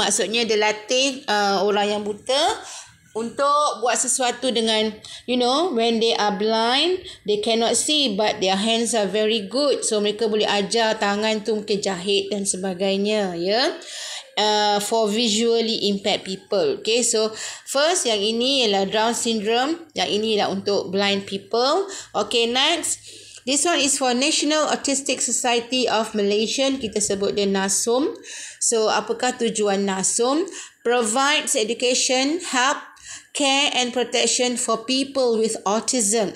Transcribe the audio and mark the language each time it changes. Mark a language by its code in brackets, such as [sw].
[ms] Maksudnya dia latih orang yang buta untuk buat sesuatu dengan, [en] you know, when they are blind, they cannot see but their hands are very good. [ms] So, mereka boleh ajar tangan tu mungkin jahit dan sebagainya, ya. [en] Yeah? For visually impaired people. Okay, so first [ms] yang ini ialah Down syndrome. Yang ini ialah untuk [en] blind people. Okay, next. This one is for National Autistic Society of Malaysia. [ms] Kita sebut dia NASOM. So, apakah tujuan NASOM? [en] Provides education, help, care and protection for people with autism.